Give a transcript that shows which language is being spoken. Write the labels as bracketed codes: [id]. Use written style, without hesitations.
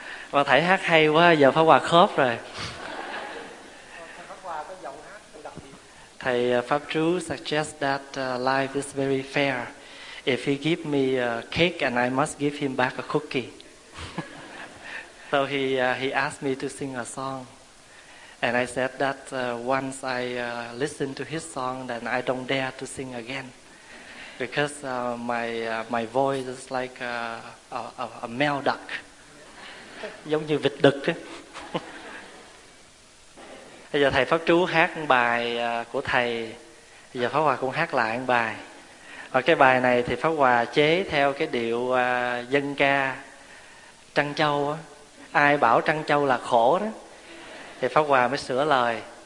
[vi] Và thầy hát hay quá, giờ Pháp Hòa khớp rồi. [en] Thầy Pháp Trú suggest that life is very fair. If he give me a cake and I must give him back a cookie. So he asked me to sing a song. And I said that once I listen to his song, then I don't dare to sing again. Because my voice is like a male duck. [vi] Giống như vịt đực ấy. Bây giờ thầy Pháp Trú hát bài của thầy, bây giờ Pháp Hòa cũng hát lại bài. Và cái bài này thì Pháp Hòa chế theo cái điệu dân ca Trăn Châu á. Ai bảo Trăn Châu là khổ đó, thì Pháp Hòa mới sửa lời.